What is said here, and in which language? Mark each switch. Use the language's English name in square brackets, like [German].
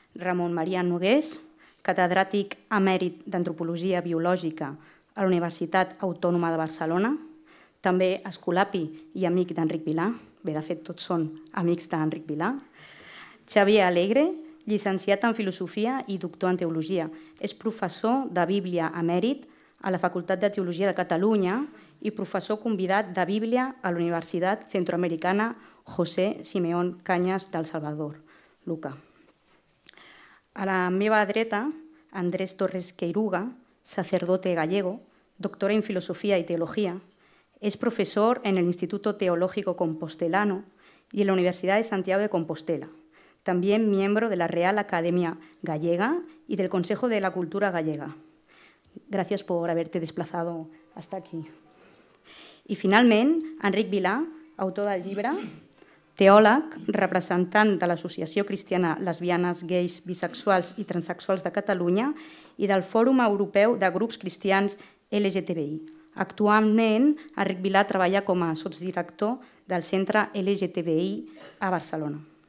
[Catalan] Ramon Maria Nogués, catedràtic emèrit d'Antropologia Biològica a la Universitat Autònoma de Barcelona, també escolapi i amic d'Enric Vilà, bé, de fet, tots són amics d'Enric Vilà, Xavier Alegre, llicenciat en Filosofia i doctor en Teologia, és professor de Bíblia emèrit a la Facultat de Teologia de Catalunya i professor convidat de Bíblia a la Universitat Centroamericana José Simeón Cañas del Salvador, Luca. A la meva dreta, [Spanish] Andrés Torres Queiruga, sacerdote gallego, doctor en filosofía y teología, es profesor en el Instituto Teológico Compostelano y en la Universidad de Santiago de Compostela, también miembro de la Real Academia Gallega y del Consejo de la Cultura Gallega. Gracias por haberte desplazado hasta aquí. [Catalan] Y finalment, Enric Vilà, autor del llibre, teòleg, representant de l'Associació Cristiana Lesbianes, Gais, Bisexuals i Transsexuals de Catalunya i del Fòrum Europeu de Grups Cristians LGTBI. Actualment, Enric Vilà treballa com a sotsdirector del Centre LGTBI a Barcelona.